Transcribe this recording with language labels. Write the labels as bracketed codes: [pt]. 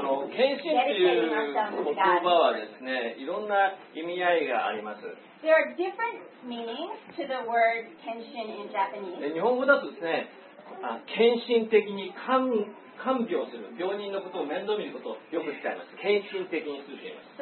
[ja] 献身という言葉はですね、いろんな意味合いがあります。 [en] There are different meanings to the word 献身 in Japanese. [ja] 日本語だとですね、献身的に看病する、病人のことを面倒見ることをよく使います。献身的にすると言います。